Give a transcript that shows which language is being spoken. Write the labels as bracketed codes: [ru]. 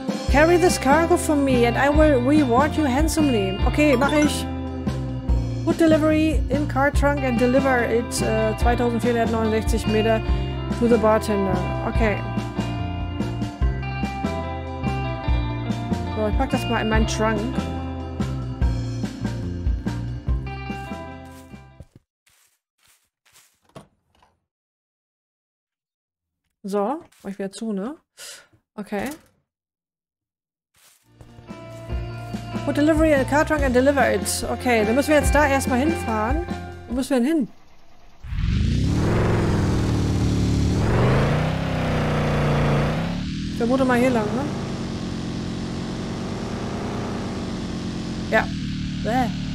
[en] Carry this cargo for me and I will reward you handsomely. [de] Okay, mache ich. [en] Put delivery in car trunk and deliver it 2469 Meter to the bartender. Okay. [de] So, ich pack das mal in meinen Trunk. So, mach ich wieder zu, ne? Okay. [en] Put delivery in a car trunk and deliver it. [de] Okay, dann müssen wir jetzt da erstmal hinfahren. Wo müssen wir denn hin? Vermute mal hier lang, ne? Ja. Bäh.